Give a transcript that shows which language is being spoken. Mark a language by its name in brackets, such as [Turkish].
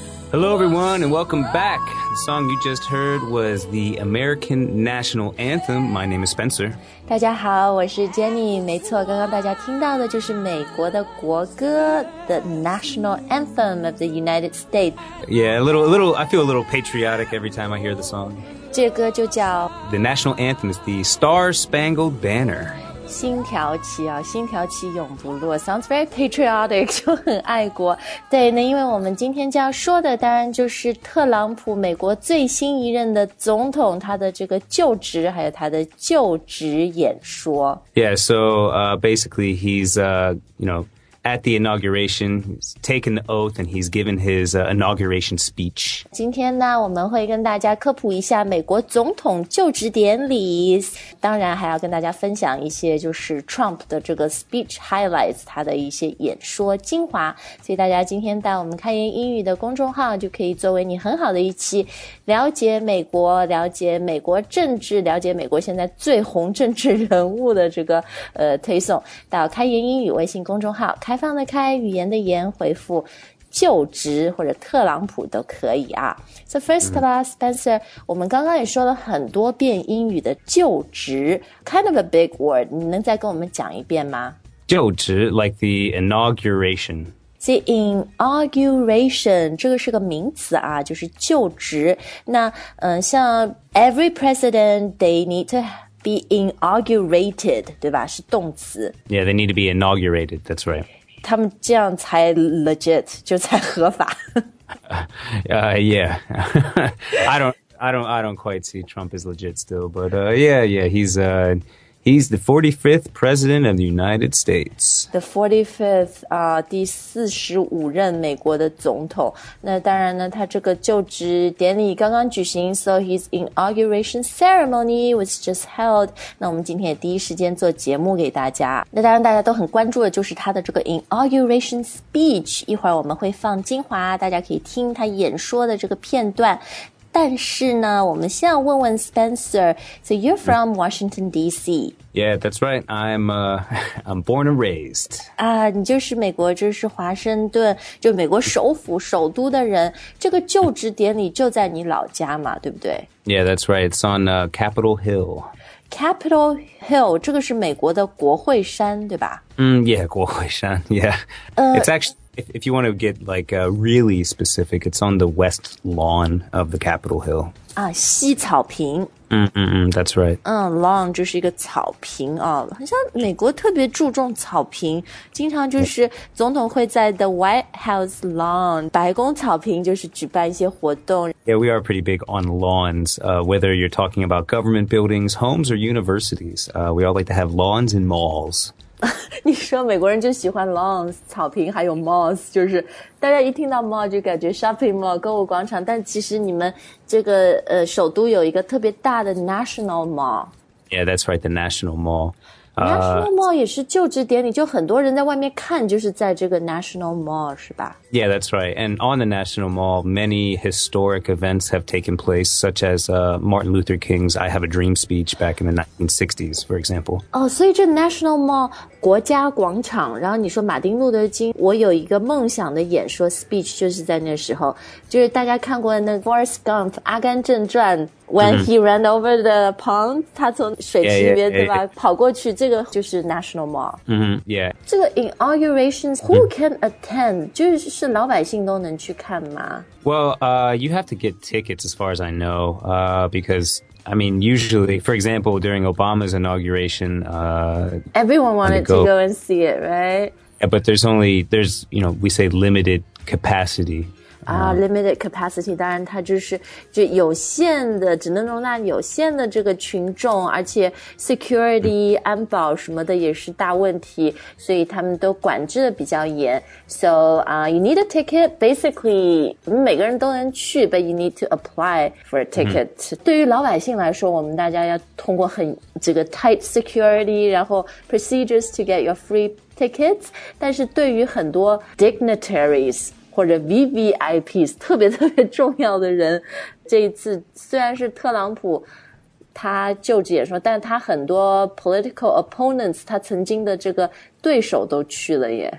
[English] Hello, everyone, and welcome back. The song you just heard was the American National Anthem. My name is Spencer. [Chinese] 大家好，我是 Jenny. 没错，刚刚大家听到的就是美国的国歌 [English] The National Anthem of the United States. Yeah, a little, I feel a little patriotic every time I hear the song. [Chinese] 这歌就叫 [English] The National Anthem is the Star-Spangled Banner. [Chinese] 星条旗啊，星条旗永不落 ， [English] sounds very patriotic， [Chinese] 就很爱国。对，那因为我们今天就要说的，当然就是特朗普，美国最新一任的总统，他的这个就职，还有他的就职演说。 [English] Yeah, so basically he's at the inauguration, he's taken the oath and he's given his inauguration speech. [Chinese] 今天呢我们会跟大家科普一下美国总统就职典礼。当然还要跟大家分享一些就是 Trump 的这个 speech highlights, 他的一些演说精华。所以大家今天在我们开言英语的公众号就可以作为你很好的一期了解美国，了解美国政治，了解美国现在最红政治人物的这个推送到开言英语微信公众号。开放的开，语言的言，回复就职或者特朗普都可以啊。 [English] So first of all, [Chinese] Spencer, 我们刚刚也说了很多遍英语的就职 , [English] kind of a big word, [Chinese] 你能再跟我们讲一遍吗？ [English] 就职 ,like the inauguration. [Chinese] See, inauguration, 这个是个名词啊，就是就职。那像 [English] every president, they need toBe inaugurated, [Chinese] 对吧？是动词。 [English] Yeah, they need to be inaugurated, that's right. [Chinese] 他们这样才 legit, 就才合法。 [English] yeah. I don't quite see Trump as legit still, but yeah, he's the 45th president of the United States. [Chinese] The 45th, 第45任美国的总统。那当然呢，他这个就职典礼刚刚举行 , [English] so his inauguration ceremony was just held. [Chinese] 那我们今天也第一时间做节目给大家。那当然大家都很关注的就是他的这个 inauguration speech。一会儿我们会放精华，大家可以听他演说的这个片段。但是呢，我们先要问问 Spencer. [English] So you're from Washington, D.C. Yeah, that's right. I'm born and raised. [Chinese] 你就是美国，就是华盛顿，就美国首府首都的人。这个就职典礼就在你老家嘛，对不对？ [English] Yeah, that's right. It's on Capitol Hill. [Chinese] Capitol Hill, 这个是美国的国会山，对吧？ [English] Yeah, 国会山 yeah. It's actually... If you want to get really specific, it's on the west lawn of the Capitol Hill. [Chinese] 西草坪。 [English] That's right. [Chinese] Lawn 就是一个草坪啊，好像美国特别注重草坪，经常就是总统会在 the White House lawn 白宫草坪就是举办一些活动。 [English] Yeah, we are pretty big on lawns. Whether you're talking about government buildings, homes, or universities, we all like to have lawns and malls. [Chinese] 你说美国人就喜欢 lawns, 草坪还有 malls, 就是大家一听到 mall 就感觉 shopping mall, 购物广场，但其实你们这个首都有一个特别大的 national mall. [English] Yeah, that's right, the national mall. [Chinese] National mall 也是就职典礼，就很多人在外面看，就是在这个 national mall, 是吧？ [English] Yeah, that's right. And on the national mall, many historic events have taken place, such as Martin Luther King's I Have a Dream speech back in the 1960s, for example. [Chinese] 所以这 national mall... 国家广场，然后你说马丁路德金我有一个梦想的演说 speech 就是在那时候，就是大家看过那 Forrest Gump 阿甘正传 [English] when he ran over the pond [Chinese] 他从水池里面对吧跑过去，这个就是 National Mall、 [English] yeah. [Chinese] 这个 inauguration who can attend 就是老百姓都能去看吗？ [English] Well you have to get tickets as far as I know becauseI mean, usually, for example, during Obama's inauguration... Everyone wanted to go and see it, right? Yeah, but there's limited capacity. [Chinese] Limited capacity, 当然它就是就有限的，只能容纳有限的这个群众，而且 security, 安保什么的也是大问题，所以他们都管制的比较严。 [English] So, you need a ticket, basically, [Chinese] 每个人都能去 [English] but you need to apply for a ticket. [Chinese] 对于老百姓来说，我们大家要通过很这个 tight security, 然后 [English] procedures to get your free tickets, [Chinese] 但是对于很多 dignitaries, 或者 VVIPs 特别特别重要的人，这一次虽然是特朗普他就职演说，但他很多 political opponents 他曾经的这个对手都去了耶。